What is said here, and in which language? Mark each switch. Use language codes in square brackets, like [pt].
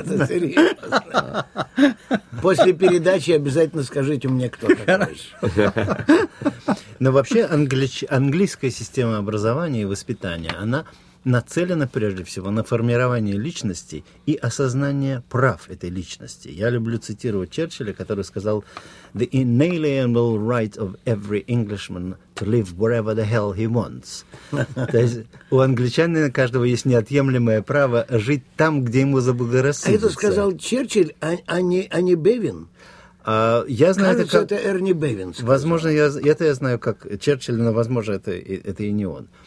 [ru] Это серьезно. После передачи обязательно скажите мне, кто такой. Хорошо. Но вообще английская система образования и воспитания, она нацелена прежде всего на формирование личности и осознание прав этой личности. Я люблю цитировать Черчилля, который сказал: [en] «The inalienable right of every Englishman to live wherever the hell he wants». [ru] То есть у англичанина каждого есть неотъемлемое право жить там, где ему заблагорассудится. А это сказал Черчилль, а не Бевин? Я знаю, кажется, это Эрни Бевин сказал. Возможно, я знаю как Черчилль, но, возможно, это и не он.